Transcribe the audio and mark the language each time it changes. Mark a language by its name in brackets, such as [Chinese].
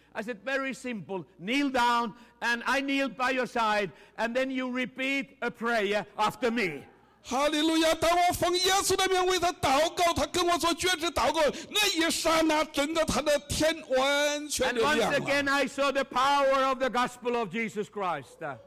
[English] I said, "Very simple. Kneel down, and I kneel by your side, and then you repeat a prayer after me." Hallelujah! [Chinese] 当我奉耶稣的名为他祷告，他跟我做决志祷告，那一刹那，真的他的天完全亮了。 [English] And once again, I saw the power of the gospel of Jesus Christ.